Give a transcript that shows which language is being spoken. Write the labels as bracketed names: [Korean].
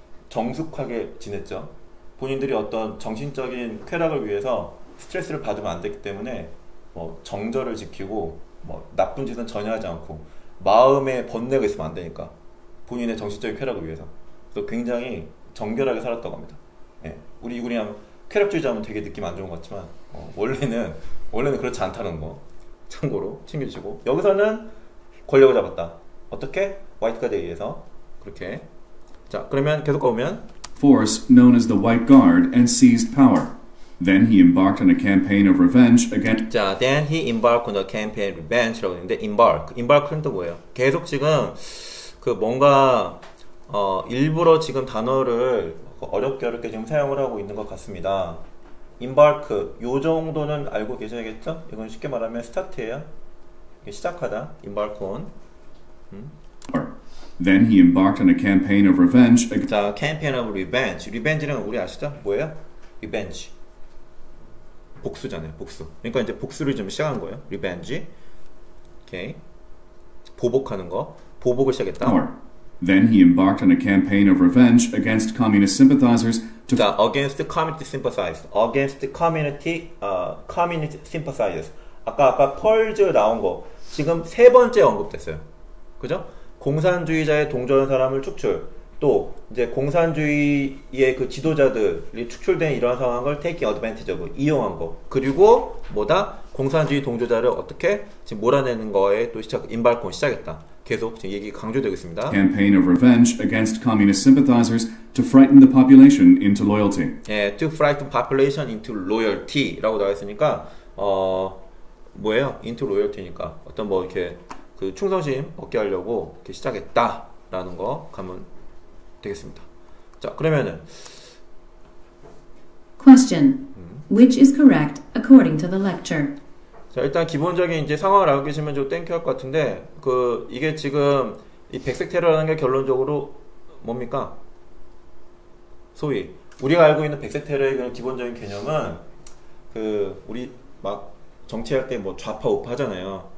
[Korean] 정숙하게 지냈죠. 본인들이 어떤 정신적인 쾌락을 위해서 스트레스를 받으면 안 됐기 때문에 뭐 정절을 지키고 뭐 나쁜 짓은 전혀 하지 않고 마음의 번뇌가 있으면 안 되니까 본인의 정신적인 쾌락을 위해서 그래서 굉장히 정결하게 살았다고 합니다. 예. 우리 그냥 쾌락주의자면 되게 느낌 안 좋은 것 같지만 원래는 그렇지 않다는 거 참고로 챙겨주시고 여기서는 권력을 잡았다. 어떻게? 화이트카드에 의해서 그렇게 자, 그러면 계속 가보면 [English] force known as the White Guard and seized power. Then he embarked on a campaign of revenge against. 자, then he embarked on a campaign of revenge라고 했는데 embark. [Korean] embark은 또 뭐예요? 계속 지금 그 뭔가 일부러 지금 단어를 어렵게 지금 사용을 하고 있는 것 같습니다. embark 요 정도는 알고 계셔야겠죠? 이건 쉽게 말하면 start예요. 시작하다. embark on. [English] then he embarked on a campaign of revenge. 자, campaign of revenge. [Korean] revenge는 우리 아시죠? 뭐예요? revenge. 복수잖아요. 복수. 그러니까 이제 복수를 좀 시작한 거예요. revenge. 오케이. 보복하는 거. 보복을 시작했다. [English] Then he embarked on a campaign of revenge against communist sympathizers to against the community sympathizers. against the community community sympathizers. [Korean] 아까 펄즈 나온 거. 지금 세 번째 언급됐어요. 그죠? 공산주의자의 동조한 사람을 축출. 또 이제 공산주의의 그 지도자들이 축출된 이런 상황을 [English] taking advantage of [Korean] 이용한 거. 그리고 뭐다? 공산주의 동조자를 어떻게 지금 몰아내는 거에 또 시작 임발콘 시작했다. 계속 지금 얘기 강조되고 있습니다. [English] Campaign of revenge against communist sympathizers to frighten the population into loyalty. 예, to frighten population into loyalty [Korean] 라고 나와 있으니까 뭐예요? into loyalty니까 어떤 뭐 이렇게 그 충성심 얻게 하려고 이렇게 시작했다라는 거 가면 되겠습니다. 자, 그러면은 [English] question. Which is correct according to the lecture? [Korean] 자, 일단 기본적인 이제 상황을 알고 계시면 좀 땡큐 할 것 같은데 그 이게 지금 이 백색 테러라는 게 결론적으로 뭡니까? 소위 우리가 알고 있는 백색 테러의 그런 기본적인 개념은 그 우리 막 정치할 때 뭐 좌파 우파 하잖아요.